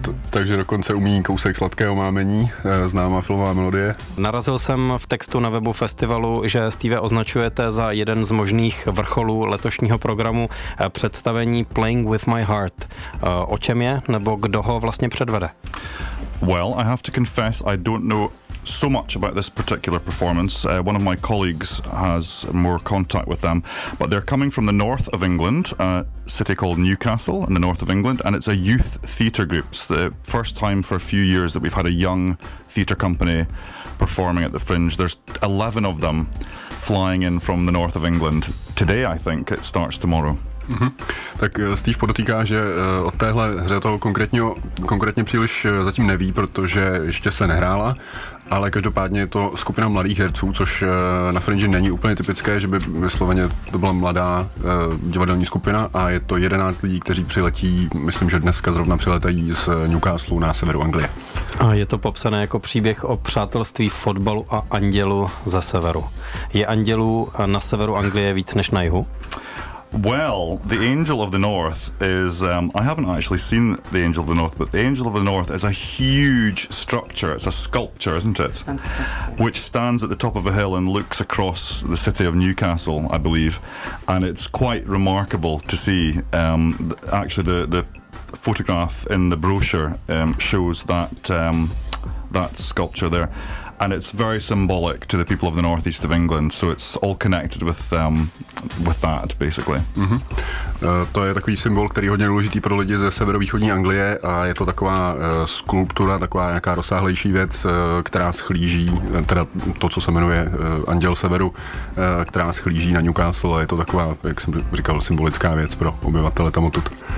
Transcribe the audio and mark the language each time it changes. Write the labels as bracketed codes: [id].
[cs] Takže dokonce umí kousek Sladkého mámení, známá filmová melodie. Narazil jsem v textu na webu festivalu, že Steve označujete za jeden z možných vrcholů letošního programu představení Playing With My Heart. O čem je, nebo kdo ho vlastně předvede? [en] Well, I have to confess, I don't know so much about this particular performance. One of my colleagues has more contact with them, but they're coming from the north of England, a city called Newcastle in the north of England, and it's a youth theatre group. It's the first time for a few years that we've had a young theatre company performing at the Fringe. There's 11 of them flying in from the north of England today, I think. It starts tomorrow. Mm-hmm. [cs] Tak Steve podotýká, že od téhle hře toho konkrétně příliš zatím neví, protože ještě se nehrála, ale každopádně je to skupina mladých herců, což na Fringe není úplně typické, že by vysloveně to byla mladá divadelní skupina, a je to 11 lidí, kteří přiletí, myslím, že dneska zrovna přiletají z Newcastle na severu Anglie. A je to popsané jako příběh o přátelství fotbalu a andělu ze severu. Je andělů na severu Anglie víc než na jihu? [en] Well, the Angel of the North is, I haven't actually seen the Angel of the North, but the Angel of the North is a huge structure, it's a sculpture, isn't it? Fantastic. Which stands at the top of a hill and looks across the city of Newcastle, I believe, and it's quite remarkable to see. The photograph in the brochure shows that sculpture there. And it's very symbolic to the people of the northeast of England, so it's all connected with that, basically. Mm-hmm. [cs] To je takový symbol, který je hodně důležitý pro lidi ze severovýchodní Anglie a je to taková skulptura, taková nějaká rozsáhlejší věc, která schlíží, teda to, co se jmenuje Anděl Severu, která schlíží na Newcastle a je to taková, jak jsem říkal, symbolická věc pro obyvatele tam odtud.